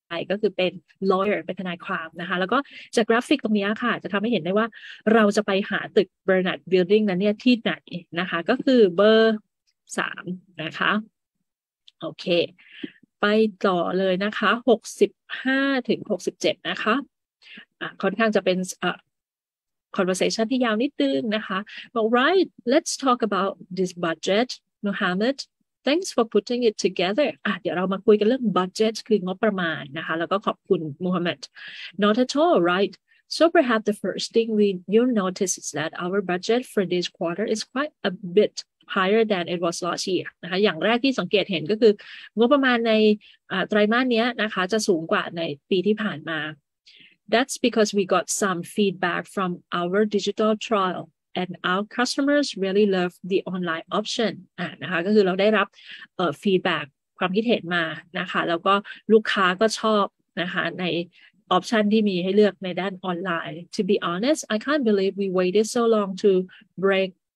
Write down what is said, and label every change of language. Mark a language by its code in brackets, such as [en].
[th] ก็คือเป็น lawyer เป็นทนายความนะคะแล้วก็จากกราฟิกตรงนี้ค่ะจะทำให้เห็นได้ว่าเราจะไปหาตึก Bernard Building นั้นเนี่ยที่ไหนนะคะก็คือเบอร์3นะคะโอเคไปต่อเลยนะคะ65-67นะคะค่อนข้างจะเป็น conversation ที่ยาวนิดนึงนะคะ [en] But right let's talk about this budget MuhammadThanks for putting it together. [th] เดี๋ยวเรามาคุยกันเรื่อง budget คืองบประมาณนะคะแล้วก็ขอบคุณ Muhammad. [en] Not at all, right? So perhaps the first thing you'll notice is that our budget for this quarter is quite a bit higher than it was last year. [th] นะคะอย่างแรกที่สังเกตเห็นก็คืองบประมาณในไตรมาสนี้นะคะจะสูงกว่าในปีที่ผ่านมา [en] That's because we got some feedback from our digital trial and our customers really love the online option [th] นะคะก็คือเราได้รับฟีดแบ็กความคิดเห็นมานะคะแล้วก็ลูกค้าก็ชอบนะคะในออปชันที่มีให้เลือกในด้านออนไลน์ [en] To be honest I can't believe we waited so long to break